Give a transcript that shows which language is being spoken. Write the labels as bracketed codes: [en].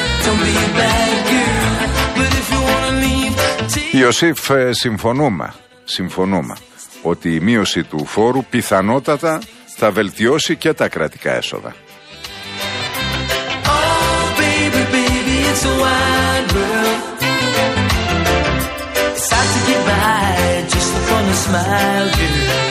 [en] Don't be a bad girl, but if you wanna leave, take. [el] Ιωσήφ, συμφωνούμε ότι η μείωση του φόρου πιθανότατα θα βελτιώσει και τα κρατικά έσοδα. [en] Oh, baby, baby, it's a wide world. It's hard to get by just upon a smile, girl.